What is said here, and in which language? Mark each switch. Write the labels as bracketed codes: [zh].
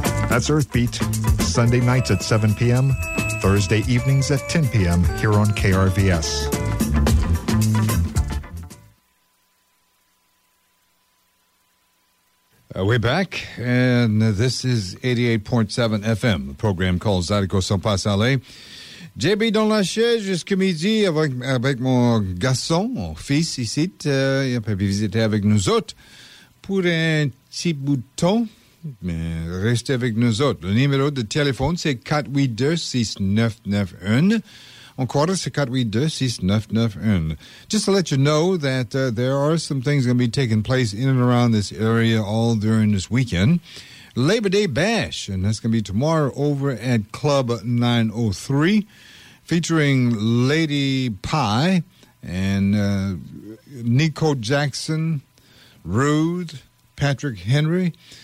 [en] That's Earthbeat, Sunday nights at 7 p.m., Thursday evenings at 10 p.m. here on KRVS. We're back, and this is 88.7 FM, the program called Zydeco Sans Passale. [fr] JB dans la chaise jusqu'à midi avec mon garçon, mon fils ici. Il peut visiter avec nous autres pour un petit bouton. Restez avec nous autres. Le numéro de téléphone, c'est 482-6991. Encore, c'est 482-6991. [en] Just to let you know that there are some things going to be taking place in and around this area all during this weekend. Labor Day Bash, and that's going to be tomorrow over at Club 903, featuring Lady Pi and Nico Jackson, Ruth, Patrick Henry.